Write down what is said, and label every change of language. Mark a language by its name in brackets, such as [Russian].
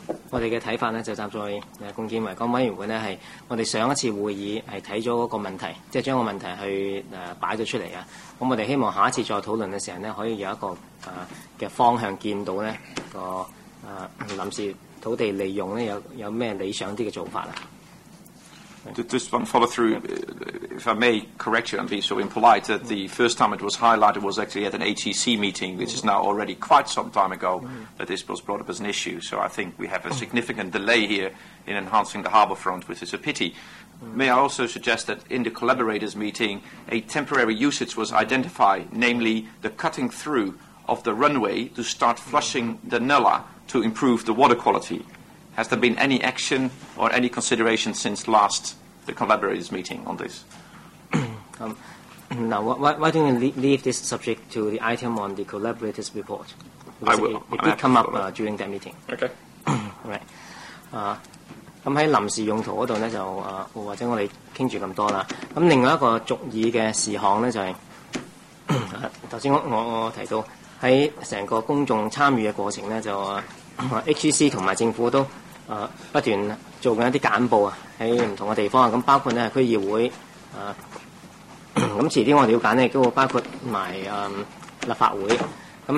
[Cantonese] 我們的看法呢，就站在共建維港委員會呢，是我們上一次會議是看了那個問題，即是將個問題去擺了出來的，我們希望下一次再討論的時候呢，可以有一個的方向，見到呢個臨時土地利用呢有什麼理想的做法。 [English] Just one follow through, if I may correct you and be so impolite, that the first time it was highlighted was actually at an HEC meeting, which is now already quite some time ago, that this was brought up as an issue. So I think we have a significant delay here in enhancing the harbour front, which is a pity. May I also suggest that in the collaborators meeting, a temporary usage was identified, namely the cutting through of the runway to start flushing the Nella to improve the water quality. Has there been any action or any consideration since last the collaborators meeting on this? Now, why don't you leave this subject to the item on the collaborators report? Because I will. It did come up during that meeting. Okay. Right. [Cantonese] 咁喺臨時用途嗰度咧，就或者我哋傾住咁多啦。咁另外一個續議嘅事項咧，就係頭先我提到。在整個公眾參與的過程呢，就HEC 和政府都不斷做緊一些簡報，在不同的地方，包括區議會，遲些我了解也包括立法會。